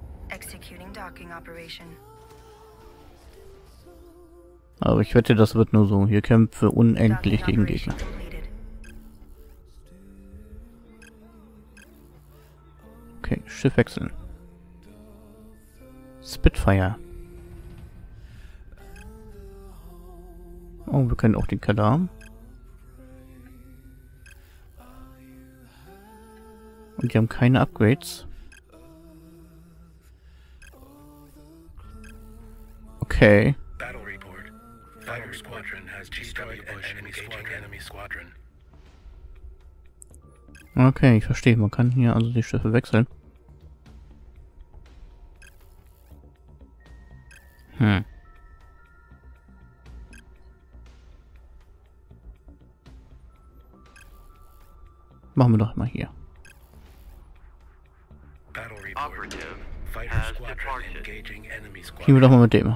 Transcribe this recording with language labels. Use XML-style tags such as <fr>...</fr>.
<en>Executing docking operation.</en> <de>Aber ich wette, das wird nur so. Hier kämpfe unendlich gegen Gegner. Okay, Schiff wechseln. Spitfire. Oh, wir können auch den Kadam. Und die haben keine Upgrades.</de> <en>Okay. Battle report. Fighter squadron has destroyed an enemy squadron.</en> <de>Okay, ich verstehe. Man kann hier also die Schiffe wechseln. Machen wir doch mal hier. Gehen wir doch mal mit dem.</de>